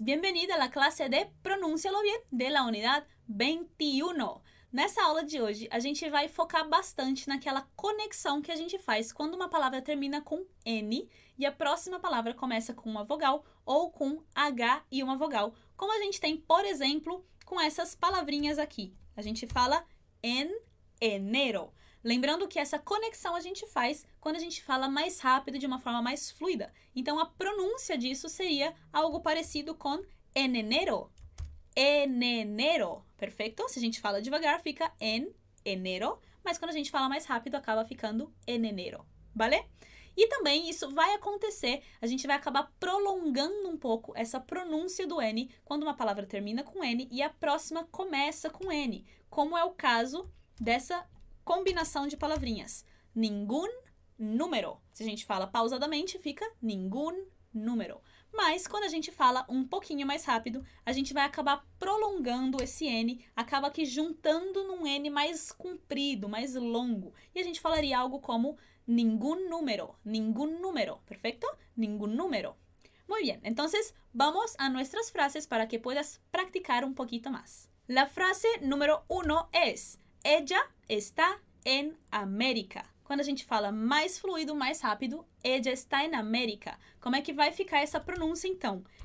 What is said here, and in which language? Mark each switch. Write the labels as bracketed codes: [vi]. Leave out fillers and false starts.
[es] Bienvenido a la clase de Pronúncialo Bien de la unidad 21. [pt] Nessa aula de hoje, a gente vai focar bastante naquela conexão que a gente faz quando uma palavra termina com N e a próxima palavra começa com uma vogal ou com H e uma vogal, como a gente tem, por exemplo, com essas palavrinhas aqui. A gente fala [es] en enero. [pt] Lembrando que essa conexão a gente faz quando a gente fala mais rápido, de uma forma mais fluida. Então, a pronúncia disso seria algo parecido com en enero. En enero. Perfeito? Se a gente fala devagar, fica [es] en enero. [pt] Mas quando a gente fala mais rápido, acaba ficando en enero. Vale? E também isso vai acontecer, a gente vai acabar prolongando um pouco essa pronúncia do N quando uma palavra termina com N e a próxima começa com N, como é o caso dessa combinação de palavrinhas. [es] Ningún número. [pt] Se a gente fala pausadamente, fica [es] ningún número. [pt] Mas quando a gente fala um pouquinho mais rápido, a gente vai acabar prolongando esse N, acaba aqui juntando num N mais comprido, mais longo. E a gente falaria algo como [es] ningún número, ningún número, perfecto? Ningún número. Muy bien, entonces vamos a nuestras frases para que puedas practicar un poquito más. La frase número uno es, ella está en América. [pt] Quando a gente fala mais fluido, mais rápido, [es] ella está en América. [pt] Como é que vai ficar essa pronúncia, então?